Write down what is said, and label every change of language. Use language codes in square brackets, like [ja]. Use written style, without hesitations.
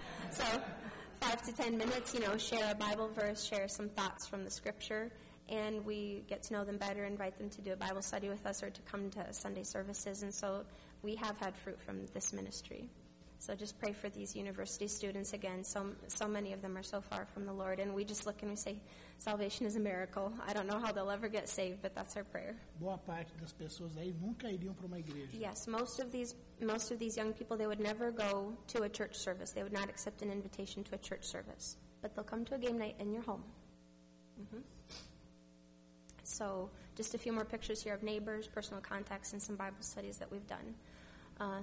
[en] So 5 to 10 minutes, you know, share a Bible verse, share some thoughts from the scripture, and we get to know them better, invite them to do a Bible study with us or to come to Sunday services. And so we have had fruit from this ministry. So just pray for these university students again. So many of them are so far from the Lord. And we just look and we say, salvation is a miracle. I don't know how they'll ever get saved, but that's our prayer. [pt] Boa parte das pessoas aí nunca iriam para uma igreja. [en] Yes, most of these young people, they would never go to a church service. They would not accept an invitation to a church service. But they'll come to a game night in your home. Mm-hmm. So just a few more pictures here of neighbors, personal contacts, and some Bible studies that we've done.